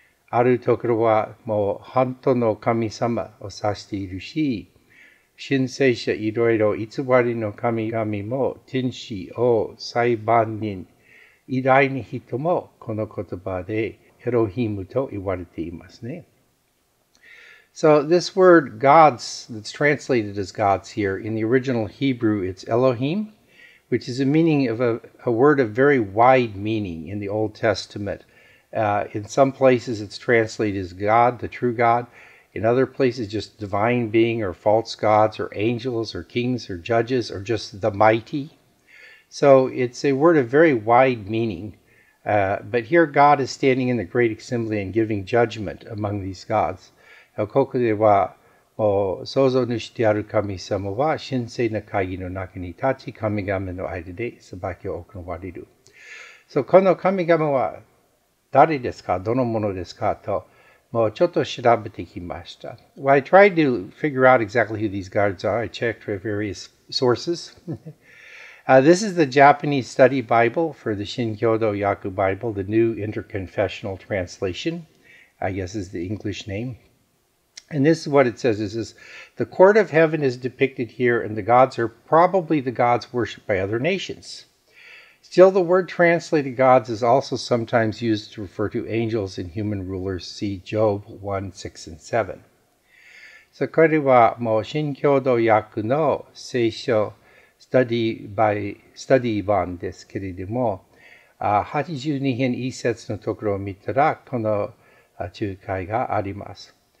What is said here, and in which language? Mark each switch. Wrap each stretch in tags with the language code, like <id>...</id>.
<ja>あるところはもう本当の神様を指しているし、神聖者いろいろ偽りの神々も天使、王、裁判人、偉大な人もこの言葉でエロヒムと言われていますね。</ja> <en>So this word gods, that's translated as gods here, in the original Hebrew it's Elohim, which is a meaning of a word of very wide meaning in the Old Testament. In some places it's translated as God, the true God. In other places just divine being or false gods or angels or kings or judges or just the mighty. So it's a word of very wide meaning. But here God is standing in the great assembly and giving judgment among these gods.</en> <ja>ここでは、創造主である神様は神聖な会議の中に立ち、神々の間で裁きを行われる。 So, この神々は誰ですか、どのものですかと、もうちょっと調べてきました。</ja> <en>Well, I tried to figure out exactly who these gods are. I checked for various sources. this is the Japanese study Bible for the Shinkyodo Yaku Bible, the new interconfessional translation, I guess is the English name. And this is what it says. It says, the court of heaven is depicted here, and the gods are probably the gods worshipped by other nations. Still, the word translated gods is also sometimes used to refer to angels and human rulers. See Job 1, 6, and 7.</en> <ja>So, これはもう新共同訳の聖書 study 版ですけれども、82編1節のところを見たら、この仲介があります。</ja>